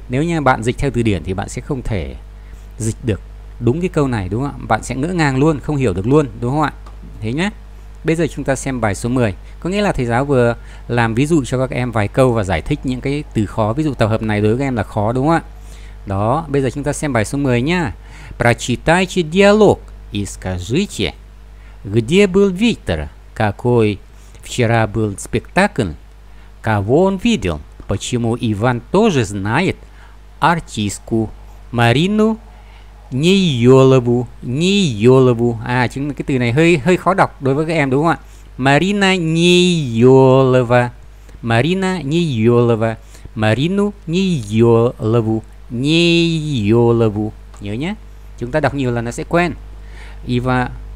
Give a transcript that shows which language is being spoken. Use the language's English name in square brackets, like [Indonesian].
[Vietnamese] Nếu như bạn dịch theo từ điển thì bạn sẽ không thể dịch được đúng cái câu này, đúng không ạ? Bạn sẽ ngỡ ngàng luôn, không hiểu được luôn, đúng không ạ? Thế nhé. Bây giờ chúng ta xem bài số 10. Có nghĩa là thầy giáo vừa làm ví dụ cho các em vài câu và giải thích những cái từ khó. Ví dụ tập hợp này đối với các em là khó, đúng không ạ? Đó, bây giờ chúng ta xem bài số 10 nhá. [Russian] Прочитайте диалог и скажите, где был Виктор, какой вчера был спектакль, кого он видел, почему Иван тоже знает артистку Марину Нейолову. [Vietnamese] А, cái từ này hơi khó đọc đối với các em, đúng không ạ? [Russian] Марина Нейолова. Марина Нейолова. Марину Нейолову. Нейолову. [Vietnamese] Nhớ nhé. Chúng ta đọc nhiều là nó sẽ quen. [Russian] Ива.